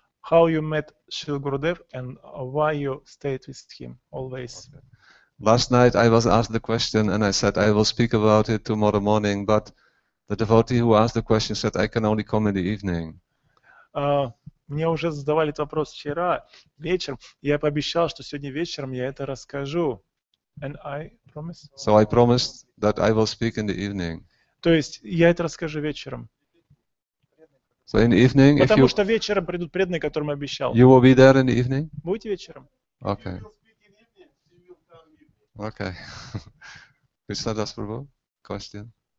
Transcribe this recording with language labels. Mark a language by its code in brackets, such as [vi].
[en] How you met Srila Gurudev and why you stayed with him always? Last night I was asked the question and I said I will speak about it tomorrow morning, but the devotee who asked the question said I can only come in the evening. [ru] Мне уже задавали этот вопрос вчера вечером. Я пообещал, что сегодня вечером я это расскажу. [en] And I promise. So I promised that I will speak in the evening. [ru] То есть я это расскажу вечером. [en] So in the evening, [ru] потому [en] if you, [ru] что вечером придут преданные, которым обещал. [en] You will be there in the evening? [ru] Будете вечером. [en] Okay. Okay. Krishna Das Prabhu, question.